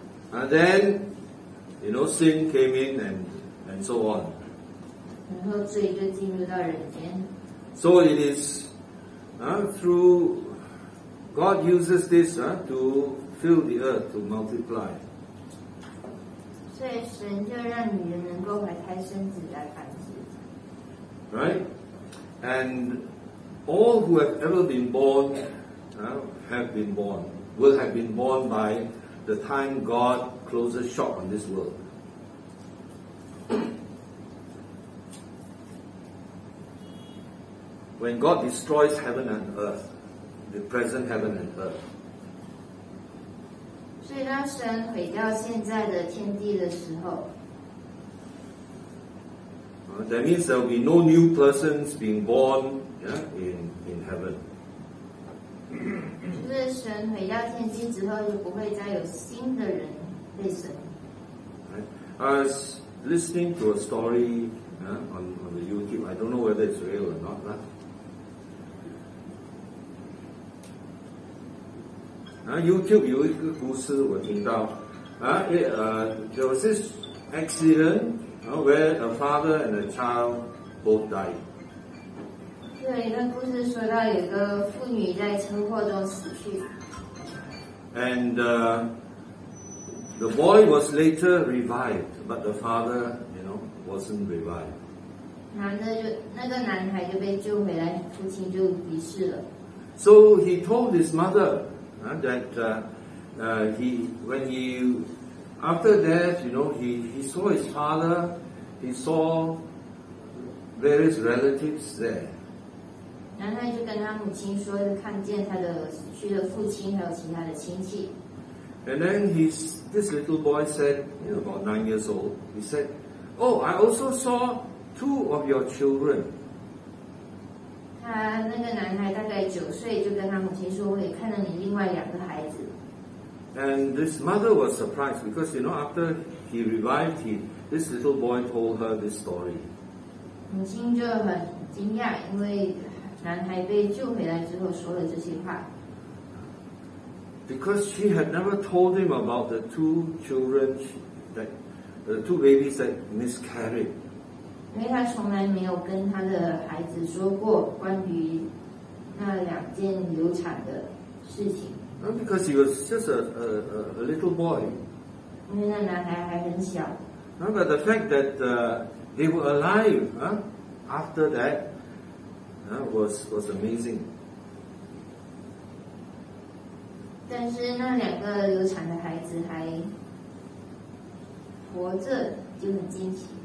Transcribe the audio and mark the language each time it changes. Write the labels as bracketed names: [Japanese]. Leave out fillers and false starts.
[English] And then, you know, sin came in and so on. [Chinese] 然后罪就进入到人间。 [English] So it is, through God uses this, to fill the earth, to multiply. [Chinese] 所以神就让女人能够怀胎生子来繁殖。 [English] Right? And all who have ever been born, have been born, will have been born by the time God closes shop on this world. When God destroys heaven and earth, the present heaven and earth. [Chinese] 所以当神毁掉现在的天地的时候， [English] That means there will be no new persons being born in heaven. [Chinese] 就是神毁掉天地之后，就不会再有新的人被生。 [English] I was listening to a story on the YouTube. I don't know whether it's real or not. YouTube [Chinese] 有一个故事我听到 [English] there was this accident where a father and a child both died. [Chinese] 有一个故事说到有个妇女在车祸中死去。 [English] And the boy was later revived, but the father, you know, wasn't revived. [Chinese] 男的就那个男孩就被救回来，父亲就离世了。 [English] So he told his mother, after death, he saw his father, he saw various relatives there. [Chinese] 然后他就跟他母亲说，看见他的去的父亲还有其他的亲戚。 [English] And then this little boy said, about 9 years old, he said, "Oh, I also saw two of your children." [Chinese] 他那个男孩大概九岁，就跟他母亲说，我也看到你另外两个孩子。 [English] And this mother was surprised because, you know, after he revived, this little boy told her this story. [Chinese] 母亲就很惊讶，因为男孩被救回来之后说了这些话。 [English] Because she had never told him about the two children, the two babies that miscarried. [Chinese] 因为他从来没有跟他的孩子说过关于那两件流产的事情。 [English] Because he was just a little boy. [Chinese] 因为那男孩还很小。 [English] But the fact that they were alive after that was amazing. [Chinese] 但是那两个流产的孩子还活着就很惊奇。